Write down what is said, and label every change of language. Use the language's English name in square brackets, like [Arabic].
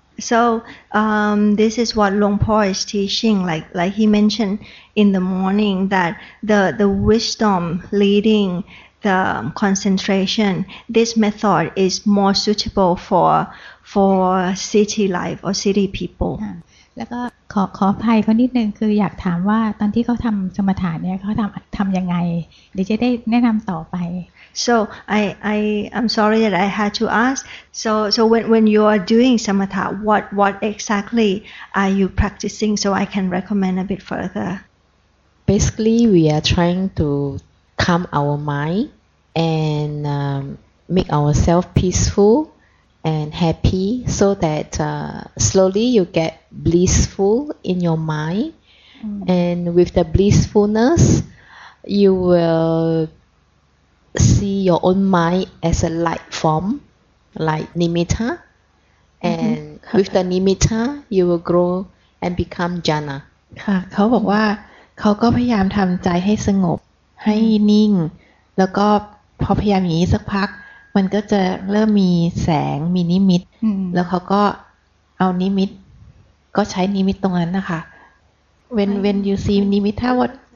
[English] so this is what Long Po is teaching like he mentioned in the morning that the wisdom leading the concentration this method is more suitable for city life or city people [Thai] แล้วก็ขออภัยเขานิดนึงคืออยากถามว่าตอนที่เขาทำสมถะเนี่ยเขาทำยังไงเดี๋ยวจะได้แนะนำต่อไป [English] So I'm sorry that I had to ask. So when you are doing samatha, what exactly are you practicing? So I can recommend a bit further. Basically, we are trying to calm our mind and make ourselves peaceful and happy, so that slowly you get blissful in your mind, and with the blissfulness, you will. See your own mind as a light form, like nimitta, and with the nimitta, you will grow and become jhana. [Thai] ค่ะเขาบอกว่าเขาก็พยายามทำใจให้สงบให้นิ่งแล้วก็พอพยายามอย่างนี้สักพักมันก็จะเริ่มมีแสงมีนิมิตแล้วเขาก็เอานิมิตก็ใช้นิมิตตรงนั้นนะคะ [English] when you see nimitta what